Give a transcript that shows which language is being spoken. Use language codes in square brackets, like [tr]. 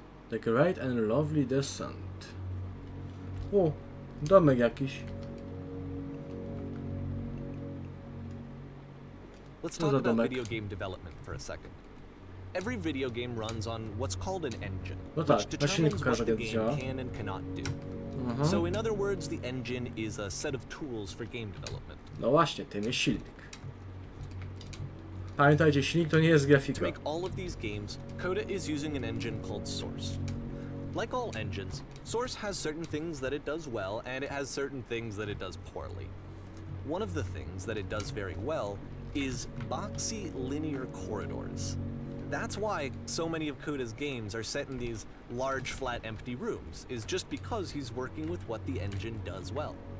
[pl] The Great and Lovely Descent. O, domek jakiś. [en] Let's talk about video game development for a second. Every video game runs on what's called an engine, [pl] no tak, [en] which determines what the game can and cannot do. So in other words, the engine is a set of tools for game development. [pl] No właśnie, tym jest silnik. Pamiętajcie, silnik to nie jest grafika. [en] To make all of these games, Coda is using an engine called Source. Like all engines, Source has certain things that it does well, and it has certain things that it does poorly. One of the things that it does very well is boxy linear corridors. That's why so many of Coda's games are set in these large, flat, empty rooms, is just because he's working with what the engine does well.